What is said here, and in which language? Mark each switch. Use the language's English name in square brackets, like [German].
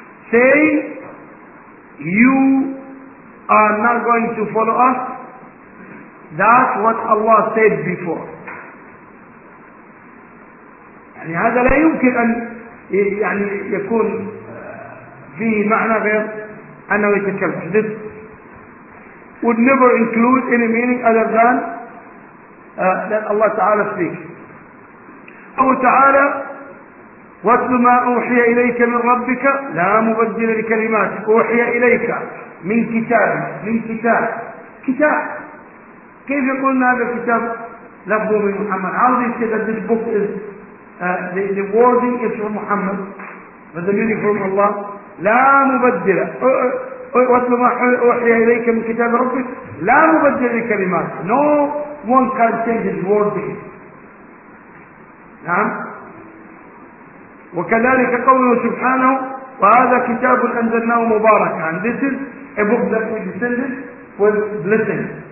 [English] Say, you are not going to follow us. That's what Allah said before. [Arabic] يعني هذا لا يمكن أن يعني يكون فيه معنى غير أنه يتكلم. [English] This would never include any meaning other than that Allah تعالى speaks. [Arabic] أو تعالى واتل ما أوحي إليك من ربك لا مبدل لكلمات. أوحي إليك من كتاب. من كتاب. كتاب. كيف يقولنا هذا كتاب لفظه من محمد. [English] How do you say that this book is the wording is from Muhammad, but the meaning from Allah. [Arabic] لا مبدل. واتل ما أوحي إليك من كتاب ربك لا مبدل لكلمات. [English] No one can change his wording. [Arabic] نعم. وكذلك قوله سبحانه وهذا كتاب أنزلناه مباركا. [English] And this is a book that we descended with blessing.